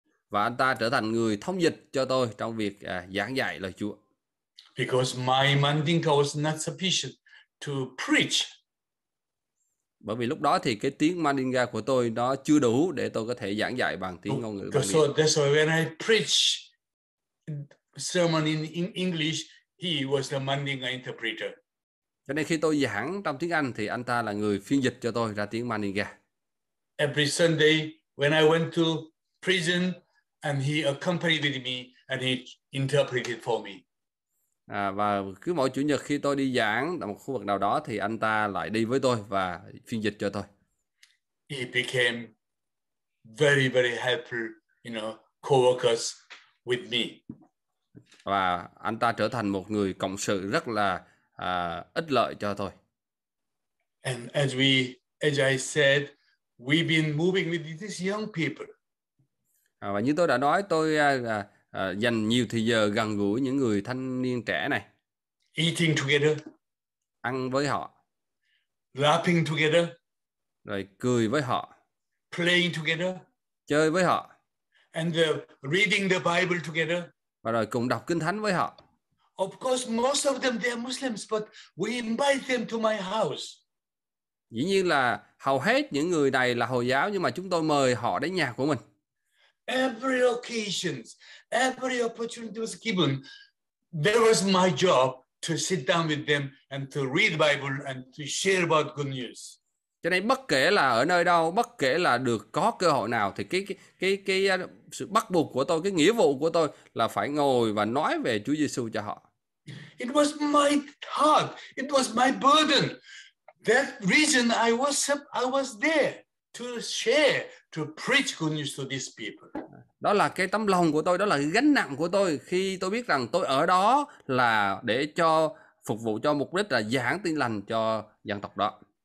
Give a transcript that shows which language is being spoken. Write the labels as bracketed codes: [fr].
[vi] Và anh ta trở thành người thông dịch cho tôi trong việc giảng dạy lời Chúa. [en] Because my Mandinka was not sufficient to preach. [vi] Bởi vì lúc đó thì cái tiếng Mandinka của tôi nó chưa đủ để tôi có thể giảng dạy bằng tiếng ngôn ngữ Bản Địa. [en] So that's why when I preach sermon in English, he was the Mandinka interpreter. [vi] Cho nên khi tôi giảng trong tiếng Anh thì anh ta là người phiên dịch cho tôi ra tiếng Mandinka. [en] Every Sunday when I went to prison and he accompanied me and he interpreted for me. [vi] Và cứ mỗi chủ nhật khi tôi đi giảng tại một khu vực nào đó thì anh ta lại đi với tôi và phiên dịch cho tôi. [en] He became very very helpful, you know, co-workers with me. [vi] Và anh ta trở thành một người cộng sự rất là ích lợi cho tôi. [en] And as I said, we've been moving with these young people. [vi] Và như tôi đã nói, tôi dành nhiều thời giờ gần gũi những người thanh niên trẻ này. [en] Eating together. [vi] Ăn với họ. [en] Laughing together. [vi] Rồi cười với họ. [en] Playing together. [vi] Chơi với họ. [en] And reading the Bible together. [vi] Và rồi cùng đọc Kinh Thánh với họ. [en] Of course, most of them, they are Muslims, but we invite them to my house. [vi] Dĩ nhiên là hầu hết những người này là Hồi giáo, nhưng mà chúng tôi mời họ đến nhà của mình. [en] Every occasion, every opportunity was given, there was my job to sit down with them and to read the Bible and to share about good news. [vi] Cho nên bất kể là ở nơi đâu, bất kể là được có cơ hội nào, thì cái sự bắt buộc của tôi, cái nghĩa vụ của tôi là phải ngồi và nói về Chúa Giêsu cho họ. [en] It was my heart, it was my burden. That reason I was there to share, to preach good news to these people. [vi] Đó là cái tấm lòng của tôi, đó là cái gánh nặng của tôi khi tôi biết rằng tôi ở đó là để cho phục vụ cho mục đích là giảng tin lành cho dân tộc đó.